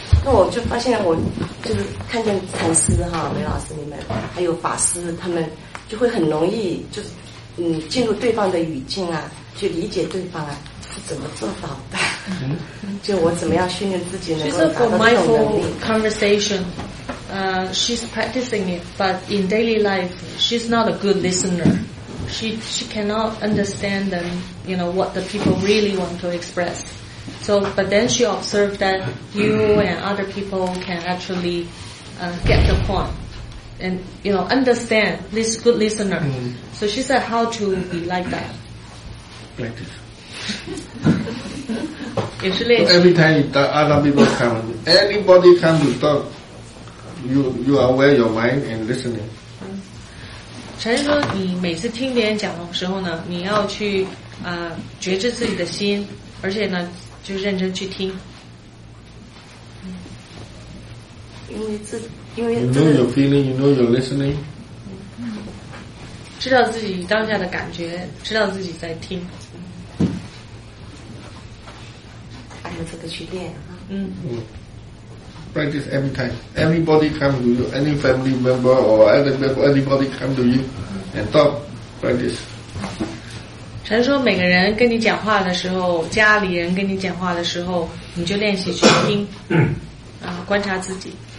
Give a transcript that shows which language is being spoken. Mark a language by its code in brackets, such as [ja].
[zh] 那我就发现我就是看见禅师哈，梅老师你们还有法师他们就会很容易就是嗯进入对方的语境啊，去理解对方啊，是怎么做到的，嗯，就我怎么样训练自己能够达到这种能力。 [en] She's a mindful conversationShe's practicing it, but in daily life, she's not a good listener. She cannot understand them, you know, what the people really want to express. So, but then she observed that you and other people can actually, get the point and, you know, understand this good listener. Mm-hmm. So she said how to be like that. Practice. So every time other people come, anybody come to talk,You are aware of your mind and listening. [zh] 陈说你每次听别人讲的时候呢，你要去觉知自己的心，而且呢就认真去听。因为 [en] You know your feeling, you know your listening. [zh] 知道自己当下的感觉，知道自己在听。按照这个去练。 [en] Practice every time. Anybody come to you, any family member or other people, anybody come to you and talk. Practice. [zh] 陈说每个人跟你讲话的时候，家里人跟你讲话的时候，你就练习去听，啊，观察自己。